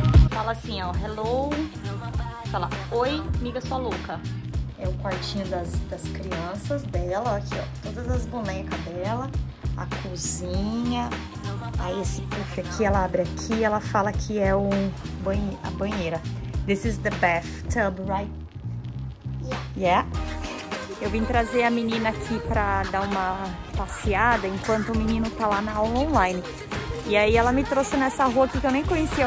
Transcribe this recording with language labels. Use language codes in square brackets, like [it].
[pt] Fala assim, ó, hello. Fala, oi, miga sua louca. É o quartinho das crianças dela, ó, aqui, ó. Todas as bonecas dela, a cozinha. Aí esse puff aqui, ela abre aqui e ela fala que é a banheira. [en] This is the bathtub, right? Yeah. [pt] Eu vim trazer a menina aqui pra dar uma passeada enquanto o menino tá lá na aula online. E aí ela me trouxe nessa rua aqui que eu nem conhecia.